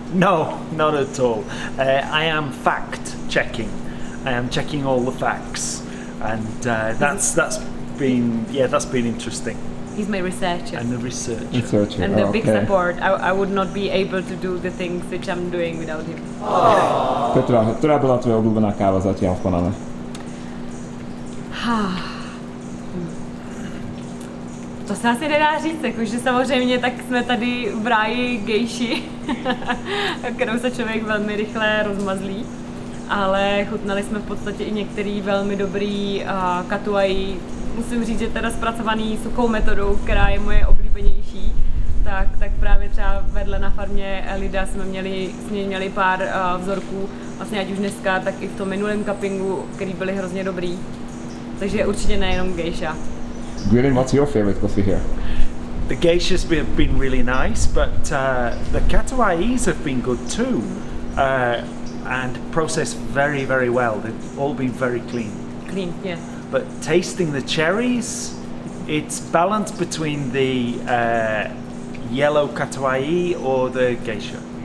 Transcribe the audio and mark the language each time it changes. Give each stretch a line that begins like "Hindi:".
English: No, not at all. I am fact checking. I am checking all the facts. And that's been interesting. He's my researcher. And the researcher. Researcher. And the big support. I would not be able to do the things which I'm doing without him. Oh.
Czech: Petra, která byla tvoje oblíbená káva zatím v Paname? To se asi nedá říct, jakože samozřejmě tak jsme tady v ráji gejši, kterou se člověk velmi rychle rozmazlí. Ale chutnali jsme v podstatě i některý velmi dobrý katuají. Musím říct, že teda zpracovaný suchou metodou, která je moje oblíbenější, tak právě třeba vedle na farmě Elida jsme měli pár vzorků, vlastně ať už dneska, tak i v tom minulém cuppingu, který byly hrozně dobrý. Takže určitě nejenom gejša.
English: Guilin, what's your favorite coffee here? The geishas have been really nice, but the katawais have been good too. And processed very, very well. They've all been very clean. Clean, yeah. But tasting the cherries, it's balanced between the yellow katawai or the geisha.